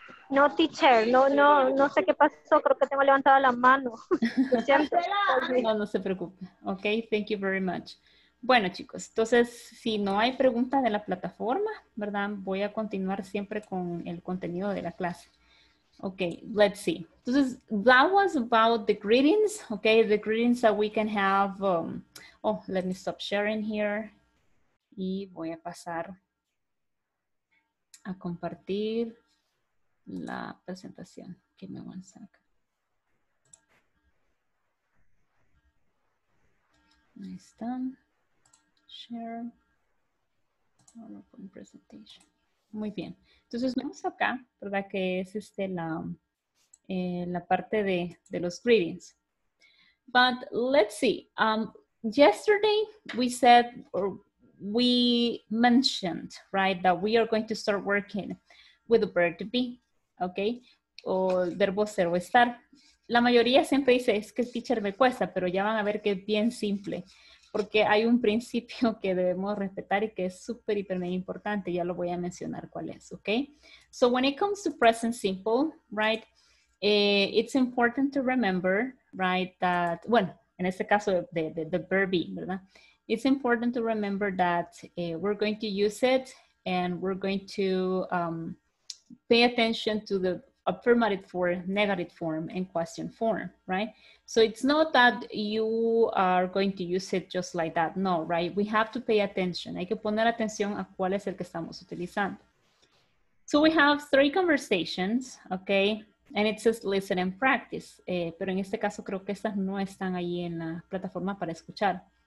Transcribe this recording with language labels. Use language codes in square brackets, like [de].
[es] No, teacher, no sé qué pasó, creo que tengo levantada la mano. No se preocupe. [en] Ok, thank you very much. [es] Bueno, chicos, entonces, si no hay preguntas de la plataforma, ¿verdad? Voy a continuar siempre con el contenido de la clase. [en] Ok, let's see. Entonces, that was about the greetings, ok, the greetings that we can have. Let me stop sharing here. [es] Y voy a pasar a compartir la presentación. [en] Give me one second. [es] Ahí está. Share. PowerPoint presentation. Muy bien. Entonces, vemos acá, ¿verdad? Que es la parte de los greetings. [en] But let's see. Yesterday, we said... We mentioned, right, that we are going to start working with the verb to be, okay? [es] O el verbo ser o estar. La mayoría siempre dice, es que el teacher me cuesta, pero ya van a ver que es bien simple, porque hay un principio que debemos respetar y que es súper, hiper, muy importante. Ya lo voy a mencionar cuál es, okay? [en] So when it comes to present simple, right, it's important to remember, right, that, [es] bueno, en este caso [en] the verb be, [es] ¿verdad? [en] It's important to remember that we're going to use it and we're going to pay attention to the affirmative form, negative form, and question form, right? So it's not that you are going to use it just like that, no, right? We have to pay attention. [es] Hay que poner atención a cuál es el que estamos utilizando. [en] So we have three conversations, okay? And it says listen and practice. [es] Pero en este caso creo que estas no están ahí en la plataforma para escuchar.